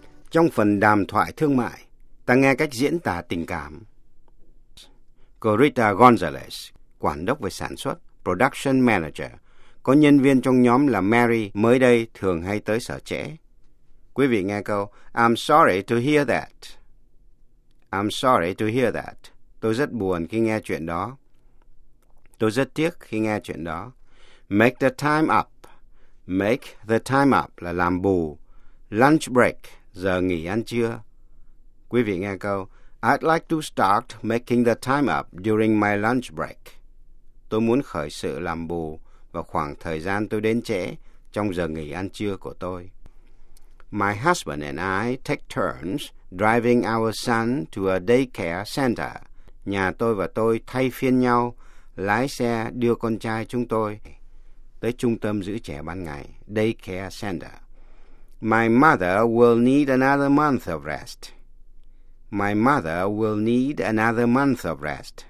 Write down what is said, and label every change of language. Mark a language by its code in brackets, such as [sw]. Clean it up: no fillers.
[vi] Trong phần đàm thoại thương mại, ta nghe cách diễn tả tình cảm. Corita Gonzalez, quản đốc về sản xuất, production manager, có nhân viên trong nhóm là Mary mới đây thường hay tới sở trễ. Quý vị nghe câu, [en] I'm sorry to hear that. I'm sorry to hear that. [vi] Tôi rất buồn khi nghe chuyện đó. Tôi rất tiếc khi nghe chuyện đó. [en] Make the time up. Make the time up [vi] là làm bù. Lunch break, giờ nghỉ ăn trưa. Quý vị nghe câu, [en] I'd like to start making the time up during my lunch break. [vi] Tôi muốn khởi sự làm bù vào khoảng thời gian tôi đến trễ trong giờ nghỉ ăn trưa của tôi. [en] My husband and I take turns driving our son to a daycare center. [vi] Nhà tôi và tôi thay phiên nhau lái xe đưa con trai chúng tôi tới trung tâm giữ trẻ ban ngày, daycare center. [en] My mother will need another month of rest. My mother will need another month of rest.